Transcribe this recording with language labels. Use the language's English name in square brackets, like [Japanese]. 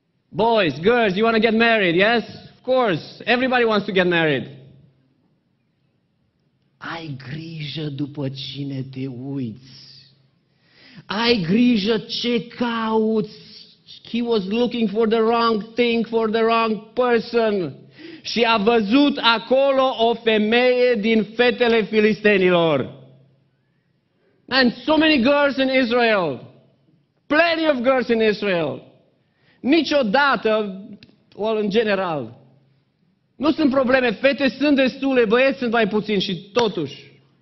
[English] Boys, girls, you want to get married, yes? Of course, everybody wants to get married. [Romanian] Ai grijă după cine te uiți. Ai grijă ce cauți. [English] He was looking for the wrong thing, for the wrong person. [Romanian] Și a văzut acolo o femeie din fetele filistenilor. [English] And so many girls in Israel. Plenty of girls in Israel. [Romanian] Niciodată, well, în general. Nu sunt probleme, fete sunt destule, băieți sunt mai puțin și totuși.